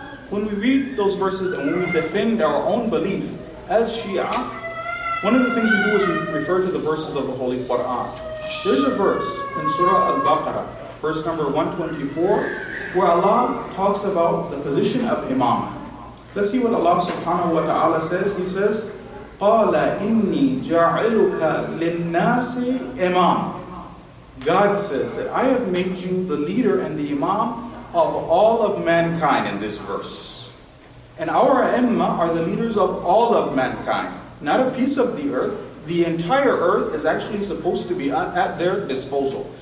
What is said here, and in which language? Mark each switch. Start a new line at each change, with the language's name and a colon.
English: When we read those verses and when we defend our own belief as Shia, one of the things we do is we refer to the verses of the Holy Quran. There's a verse in Surah Al-Baqarah, verse number 124, where Allah talks about the position of imam. Let's see what Allah subhanahu wa ta'ala says. He says,
Arabic: قَالَ إِنِّي جَعِلُكَ لِلنَّاسِ إِمَامًا.
English: God says that I have made you the leader and the imam of all of mankind in this verse. And our imma are the leaders of all of mankind, not a piece of the earth. The entire earth is actually supposed to be at their disposal.